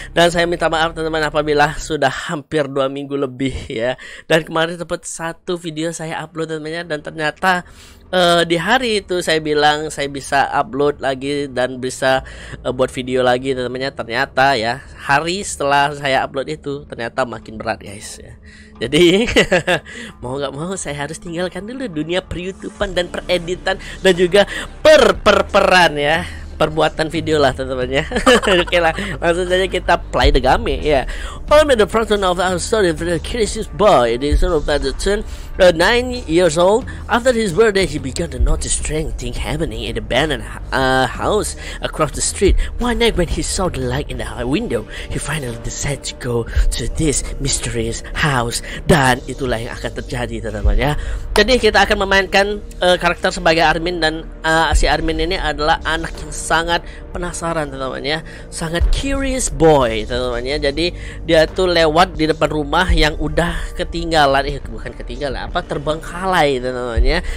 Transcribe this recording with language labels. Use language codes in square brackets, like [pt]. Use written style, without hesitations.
[id] Dan saya minta maaf, teman-teman, apabila sudah hampir 2 minggu lebih ya, dan kemarin sempat satu video saya upload, teman-teman, dan ternyata di hari itu saya bilang saya bisa upload lagi dan bisa buat video lagi, teman-teman, ternyata ya hari setelah saya upload itu ternyata makin berat, guys ya. Jadi mau nggak mau saya harus tinggalkan dulu dunia peryoutuban dan pereditan dan juga perperan ya, perbuatan video lah, teman-temannya. Oke lah, langsung saja kita [en] play the game [id] ya. Yeah. [en] I'm in the front of our story for the curious boy. It is sort of about to turn 9 years old. After his birthday, he began to notice strange things happening in the abandoned house across the street. One night when he saw the light in the window, he finally decided to go to this mysterious house. [id] Dan itulah yang akan terjadi, teman-temannya. Jadi kita akan memainkan karakter sebagai Armin, dan si Armin ini adalah anak yang sangat penasaran, teman-temannya, sangat [en] curious boy, [id] teman-temannya. Jadi dia tuh lewat di depan rumah yang udah ketinggalan, bukan ketinggalan, apa, terbengkalai, teman-temannya.